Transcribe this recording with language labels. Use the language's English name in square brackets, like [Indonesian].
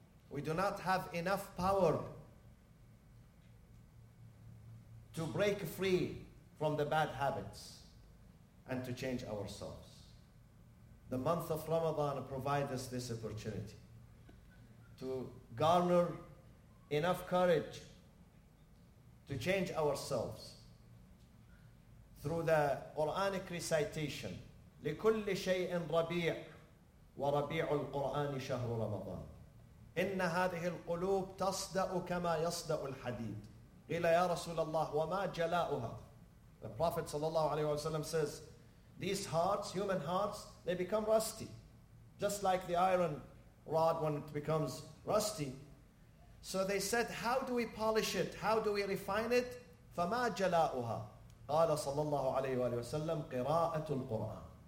[English] We do not have enough power to break free from the bad habits and to change ourselves. The month of Ramadan provides us this opportunity to garner enough courage to change ourselves through the Quranic recitation. [Arabic] لكل شيء ربيع وربيع القرآن شهر رمضان إن هذه القلوب تصدأ كما يصدأ الحديد قيل يا رسول الله وما جلاؤها. [English] The Prophet صلى الله عليه وسلم says, these hearts, human hearts, they become rusty, just like the iron rod when it becomes rusty. So they said, how do we polish it? How do we refine it? [Arabic] فما جلاؤها قال صلى الله عليه وسلم قراءة القرآن.